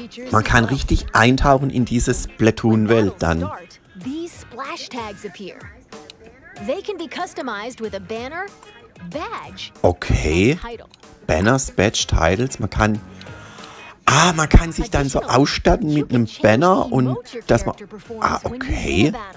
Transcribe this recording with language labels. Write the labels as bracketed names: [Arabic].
[German] Man kann richtig eintauchen in diese Splatoon-Welt dann. [English] These splash tags appear. They can be customized with a banner, badge. [German] Okay. Banners, Badge, Titles. Man kann. Ah, man kann sich dann so ausstatten mit einem Banner und dass man. Ah, okay.